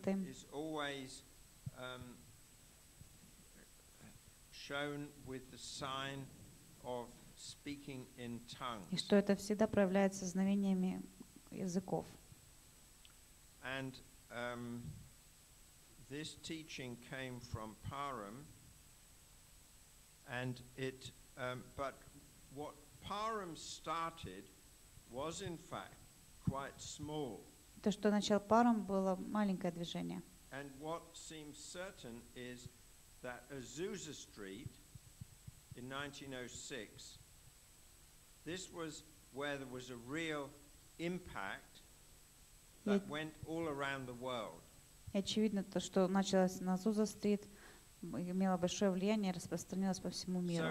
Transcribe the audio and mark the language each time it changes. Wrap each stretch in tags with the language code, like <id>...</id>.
<en>is always shown with the sign of speaking in tongues.</en> <ru>И что это всегда проявляется знамениями языков.</ru> <en>And this teaching came from Parham, and it. But what Parham started was in fact quite small.</en> <ru>То, что начал Парам, было маленькое движение.</ru> <en>And what seems certain is that Azusa Street in 1906. This was where there was a real impact that went all around the world.</en> <ru>Очевидно то, что началось на Азуза Стрит, имело большое влияние, распространилось по всему миру.</ru>